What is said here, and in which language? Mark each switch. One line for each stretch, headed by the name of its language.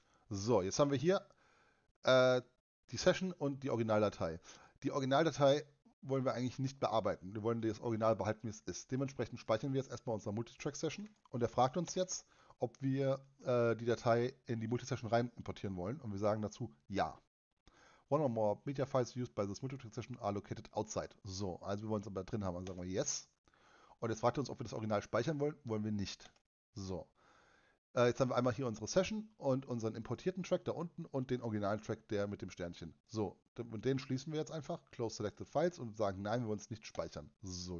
German: So, jetzt haben wir hier die Session und die Originaldatei. Die Originaldatei wollen wir eigentlich nicht bearbeiten. Wir wollen das Original behalten, wie es ist. Dementsprechend speichern wir jetzt erstmal unsere Multitrack-Session und er fragt uns jetzt, ob wir die Datei in die Multitrack-Session rein importieren wollen. Und wir sagen dazu ja.
English: One or more media files used by this Multitrack-Session are located outside.
German: So, also wir wollen es aber drin haben, dann sagen wir yes. Und jetzt fragt er uns, ob wir das Original speichern wollen. Wollen wir nicht. So. Jetzt haben wir einmal hier unsere Session und unseren importierten Track da unten und den originalen Track, der mit dem Sternchen. So. Und den schließen wir jetzt einfach. Close Selected Files und sagen, nein, wir wollen es nicht speichern. So.